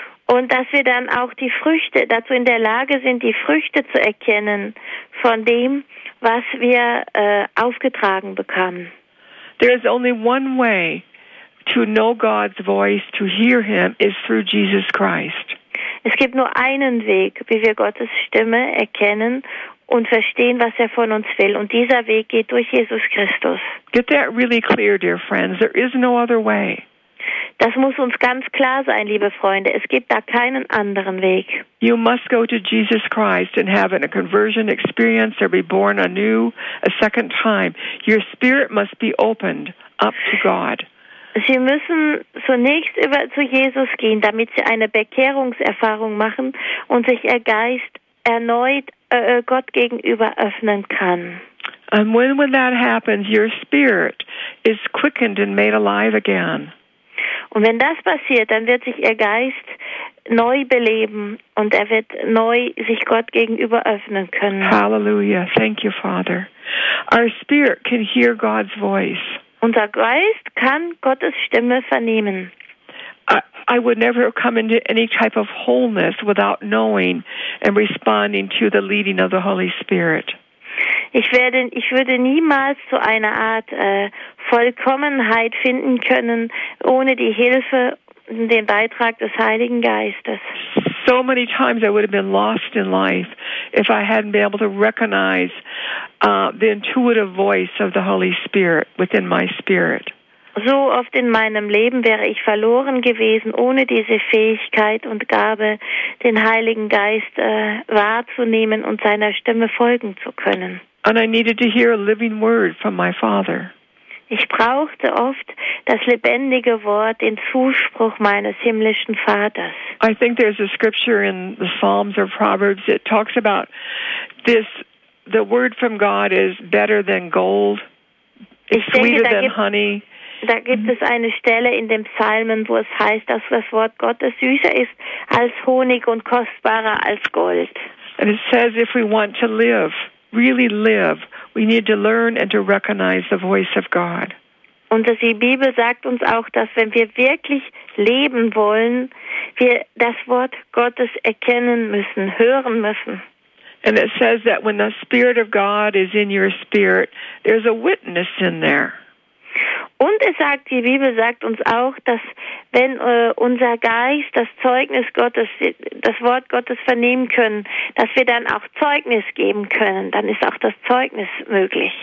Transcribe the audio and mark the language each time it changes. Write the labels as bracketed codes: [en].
[de] Und dass wir dann auch die Früchte dazu in der Lage sind, die Früchte zu erkennen von dem, was wir aufgetragen bekommen. [en] There is only one way to know God's voice, to hear Him, is through Jesus Christ. [de] Es gibt nur einen Weg, wie wir Gottes Stimme erkennen und verstehen, was er von uns will. Und dieser Weg geht durch Jesus Christus. [en] Get that really clear, dear friends. There is no other way. [de] Das muss uns ganz klar sein, liebe Freunde. Es gibt da keinen anderen Weg. [en] You must go to Jesus Christ and have a conversion experience or be born anew a second time. Your spirit must be opened up to God. [de] Sie müssen zunächst über zu Jesus gehen, damit Sie eine Bekehrungserfahrung machen und sich Ihr Geist erneut Gott gegenüber öffnen kann. [en] And when that happens, your spirit is quickened and made alive again. [de] Und wenn das passiert, dann wird sich Ihr Geist neu beleben und er wird neu sich Gott gegenüber öffnen können. [en] Hallelujah. Thank you, Father. Our spirit can hear God's voice. [de] Unser Geist kann Gottes Stimme vernehmen. [en] I would never have come into any type of wholeness without knowing and responding to the leading of the Holy Spirit. [de] Ich würde niemals zu einer Art Vollkommenheit finden können ohne die Hilfe und den Beitrag des Heiligen Geistes. [en] So many times I would have been lost in life if I hadn't been able to recognize the intuitive voice of the Holy Spirit within my spirit. [de] So oft in meinem Leben wäre ich verloren gewesen, ohne diese Fähigkeit und Gabe, den Heiligen Geist wahrzunehmen und seiner Stimme folgen zu können. [en] And I needed to hear a living word from my Father. [de] Ich brauchte oft das lebendige Wort in Zuspruch meines himmlischen Vaters. [en] I think there's a scripture in the Psalms or Proverbs that talks about this, the word from God is better than gold. It's sweeter than honey. [de] Da gibt es eine Stelle in den Psalmen, wo es heißt, dass das Wort Gottes süßer ist als Honig und kostbarer als Gold. [en] And it says if we want to live, really live, we need to learn and to recognize the voice of God. [de] Und die Bibel sagt uns auch, dass wenn wir wirklich leben wollen, wir das Wort Gottes erkennen müssen, hören müssen. [en] And it says that when the Spirit of God is in your spirit, there's a witness in there. [de] Und es sagt, die Bibel sagt uns auch, dass wenn unser Geist das Zeugnis Gottes, das Wort Gottes vernehmen können, dass wir dann auch Zeugnis geben können, dann ist auch das Zeugnis möglich.